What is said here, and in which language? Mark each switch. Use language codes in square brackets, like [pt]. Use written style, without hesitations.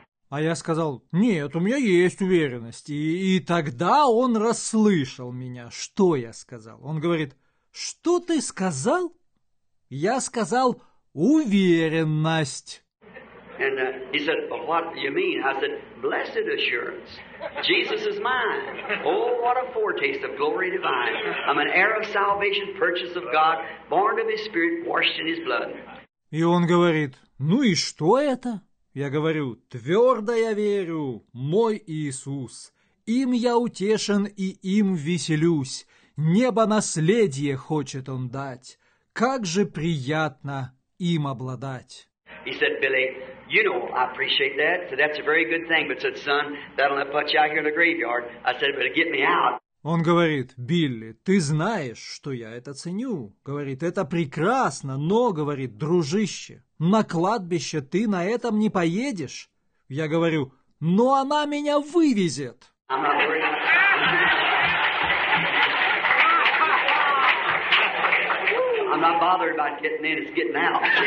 [ru] А я сказал: «Нет, у меня есть уверенность». И тогда он расслышал меня, что я сказал. Он говорит: «Что ты сказал?» Я сказал: «Уверенность». [en] And he said, well, what do you mean? I said, blessed assurance. Jesus is mine. Oh, what a foretaste of glory divine. I'm an heir of salvation, purchase of God, born of his spirit, washed in his blood. [ru] И он говорит: «Ну и что это?» Я говорю: «Твердо я верю, мой Иисус. Им я утешен и им веселюсь. Небо наследие хочет он дать. Как же приятно им обладать». [en] He said, Billy, you know, I appreciate that. So that's a very good thing. But said, son, that'll not put you out here in the graveyard. I said, but get me out. [ru] Он говорит: «Билли, ты знаешь, что я это ценю. Говорит, это прекрасно, но, говорит, дружище, на кладбище ты на этом не поедешь». Я говорю: «Но она меня вывезет». [en] I'm not worried about that. I'm not bothered about getting in, it's getting out.